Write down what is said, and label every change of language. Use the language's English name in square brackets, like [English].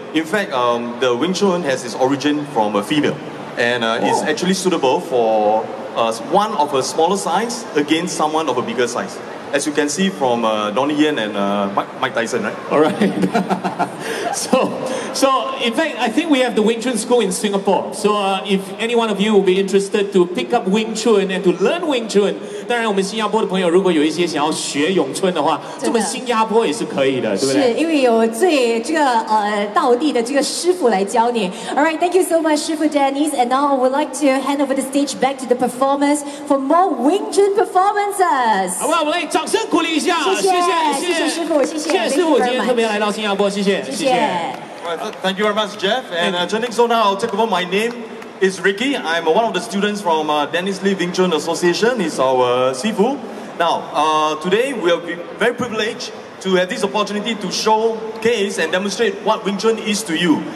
[English] In fact, the Wing Chun has its origin from a female, and is actually suitable for one of a smaller size against someone of a bigger size, as you can see from Donnie Yen and Mike Tyson, right? All right. So in fact, I think we have the Wing Chun school in Singapore. So if any one of you will be interested to pick up Wing Chun and to learn Wing Chun. [Chinese] 当然，我们新加坡的朋友如果有一些想要学咏春的话，这么新加坡也是可以的，对不对？是因为有最这个道地的这个师傅来教你。 [English] All right, thank you so much, 师傅 Dennis. And now I would like to hand over the stage back to the performers for more Wing Chun performances. [Chinese] 好，我们来掌声鼓励一下，谢谢师傅，谢谢师傅今天特别来到新加坡，谢谢。 [English] Thank you very much, Jeff. And turning so now, I'll take over my name. It's Ricky. I'm one of the students from Dennis Lee Wing Chun Association. He's our Sifu. Now, today we are very privileged to have this opportunity to showcase and demonstrate what Wing Chun is to you.